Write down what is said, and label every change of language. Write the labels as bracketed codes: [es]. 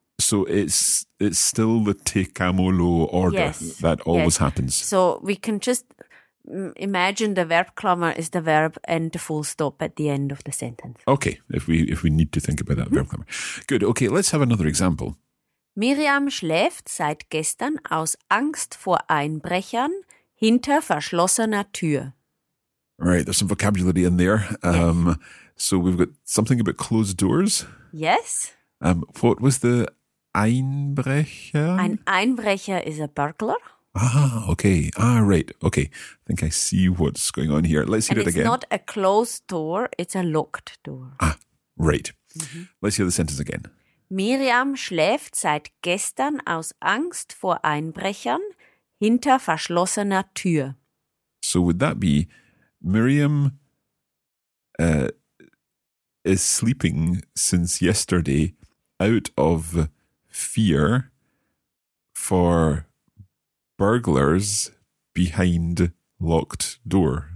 [en] So it's still the tekamolo order that always happens. So we can just imagine the verb klammer is the verb and the full stop at the end of the sentence. Okay, if we need to think about that verb klammer. Good, okay, let's have another example. [de] Miriam schläft seit gestern aus Angst vor Einbrechern hinter verschlossener Tür. [en] Right, there's some vocabulary in there. So we've got something about closed doors. Yes. What was the Einbrecher? [de] Ein Einbrecher [en] is a burglar. Ah, okay. Ah, right. Okay. I think I see what's going on here. Let's hear and it again. It's not a closed door, it's a locked door. Ah, right. Let's hear the sentence again. [de] Miriam schläft seit gestern aus Angst vor Einbrechern hinter verschlossener Tür. [en] So would that be Miriam is sleeping since yesterday out of fear for burglars behind locked door.